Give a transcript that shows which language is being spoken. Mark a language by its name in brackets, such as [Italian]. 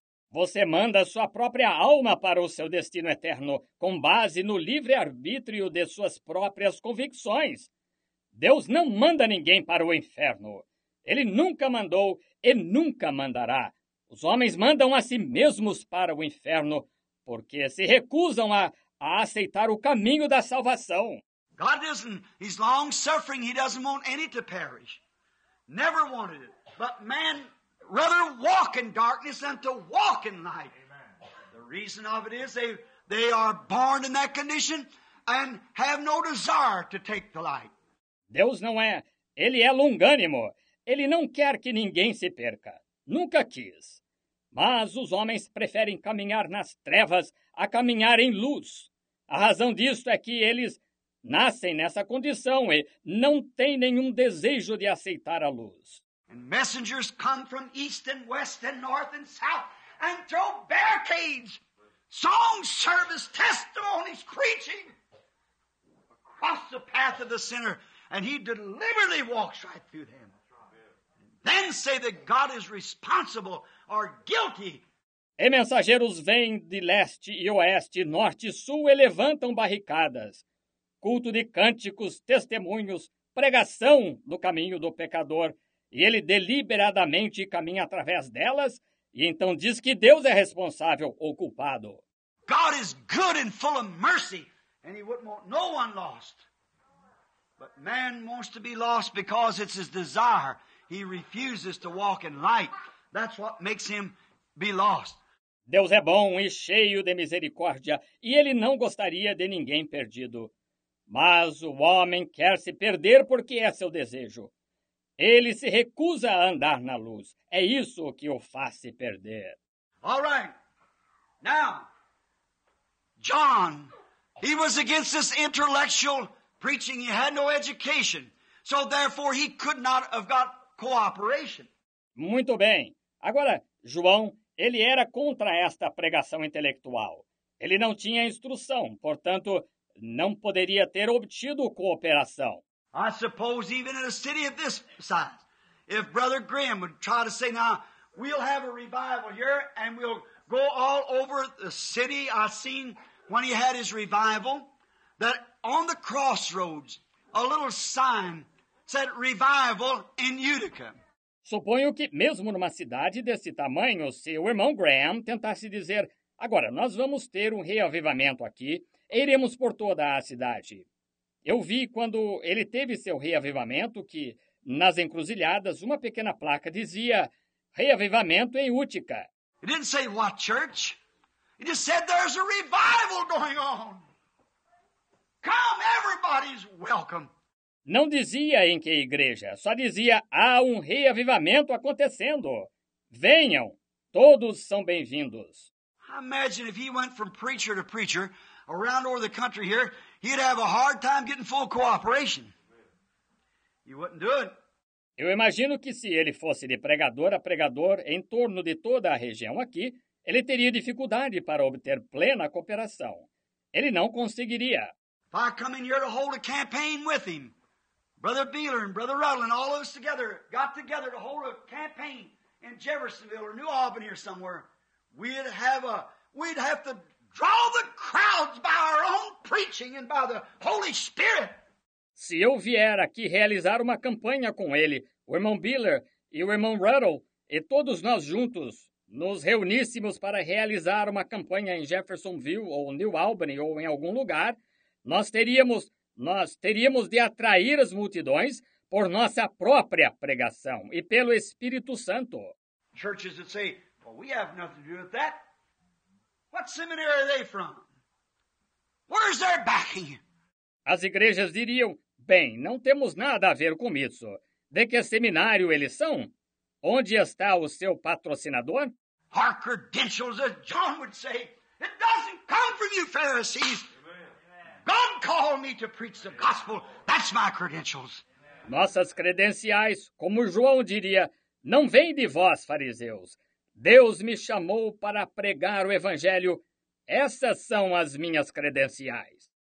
[Portuguese] Você manda sua própria alma para o seu destino eterno com base no livre-arbítrio de suas próprias convicções. Deus não manda ninguém para o inferno. Ele nunca mandou e nunca mandará. Os homens mandam a si mesmos para o inferno porque se recusam a aceitar o caminho da salvação. [English] God isn't, he's long suffering, he doesn't want any to perish. Never wanted it. But man rather walk in darkness than to walk in light. Amen. The reason of it is they are born in that condition and have no desire to take the light. [Portuguese] Deus não é, ele é longânimo. Ele não quer que ninguém se perca. Nunca quis. Mas os homens preferem caminhar nas trevas a caminhar em luz. A razão disto é que eles nascem nessa condição e não têm nenhum desejo de aceitar a luz. [English] And messengers come from east and west and north and south and throw barricades, song, service, testimonies, preaching across the path of the sinner. And he deliberately walks right through them. Then say that God is responsible or guilty. [Portuguese] E mensageiros vêm de leste e oeste, norte e sul e levantam barricadas. Culto de cânticos, testemunhos, pregação do caminho do pecador. E ele deliberadamente caminha através delas e então diz que Deus é responsável ou culpado. [English] God is good and full of mercy and he wouldn't want no one lost. But man wants to be lost because it's his desire. He refuses to walk in light. That's what makes him be lost. [Portuguese] Deus é bom e cheio de misericórdia, e ele não gostaria de ninguém perdido. Mas o homem quer se perder porque é seu desejo. Ele se recusa a andar na luz. É isso que o faz se perder. [English] All right. Now, John, he was against this intellectual preaching. He had no education. So therefore, he could not have got cooperation. [Portuguese] Muito bem. Agora, João, ele era contra esta pregação intelectual. Ele não tinha instrução, portanto, não poderia ter obtido cooperação. [English] I suppose even in a city of this size, if Brother Graham would try to say, now, we'll have a revival here and we'll go all over the city. I seen when he had his revival that on the crossroads, a little sign said, revival in Utica. [Portuguese] Suponho que mesmo numa cidade desse tamanho, se o irmão Graham tentasse dizer, agora nós vamos ter um reavivamento aqui e iremos por toda a cidade. Eu vi quando ele teve seu reavivamento que, nas encruzilhadas, uma pequena placa dizia reavivamento em Utica. [English] He didn't say what church. He just said there's a revival going on. Come, everybody's welcome. [Portuguese] Não dizia em que igreja, só dizia há um reavivamento acontecendo. Venham, todos são bem-vindos. [English] Imagine if he went from preacher to preacher around over the country here, he'd have a hard time getting full cooperation. He wouldn't do it. [Portuguese] Eu imagino que se ele fosse de pregador a pregador em torno de toda a região aqui, ele teria dificuldade para obter plena cooperação. Ele não conseguiria. [English] If I come in here to hold a campaign with him, Brother Beeler and Brother Rutland, all of us together, got together to hold a campaign in Jeffersonville or New Albany or somewhere, We'd have to draw the crowds by our own preaching and by the Holy Spirit. [Portuguese] Se eu vier aqui realizar uma campanha com ele, o irmão Biller e o irmão Ruddle, e todos nós juntos nos reuníssemos para realizar uma campanha em Jeffersonville ou New Albany ou em algum lugar, nós teríamos de atrair as multidões por nossa própria pregação e pelo Espírito Santo. [English] Churches that say, well, we have nothing to do with that. What seminary are they from? Where's their backing? [Portuguese] As igrejas diriam, bem, não temos nada a ver com isso. De que seminário eles são? Onde está o seu patrocinador? [English] Our credentials, as John would say, it doesn't come from you Pharisees. God called me to preach the gospel. That's my credentials. [Portuguese] Nossas credenciais, como João diria, não vêm de vós, fariseus. Deus me chamou para pregar o evangelho. Essas são as minhas credenciais.